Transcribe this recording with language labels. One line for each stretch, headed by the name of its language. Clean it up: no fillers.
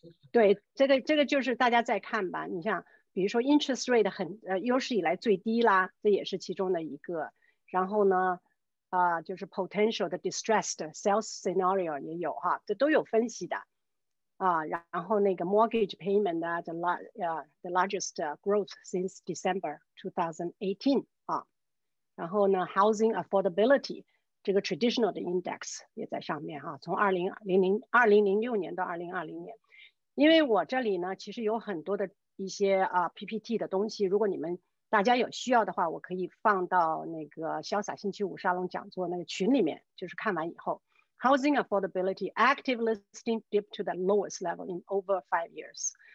Chinese: 对，这个就是大家再看吧，你像。比如说，
English: interest rate
Chinese: 有史以来最低啦，这也是其中的一个。然后呢，就是 potential 的
English: distressed sales scenario
Chinese: 也有哈，这都有分析的。然后那个
English: mortgage payment
Chinese: 的
English: the largest growth since December 2018
Chinese: 然后呢，
English: housing affordability
Chinese: 这个 traditional 的 index 也在上面哈，从2006年到2020年。因为我这里呢，其实有很多的。一些PPT 的东西，如果你们大家有需要的话，我可以放到那个潇洒星期五沙龙讲座那个群里面。就是看完以后，
English: Housing affordability active listing dip to the lowest level in over 5 years。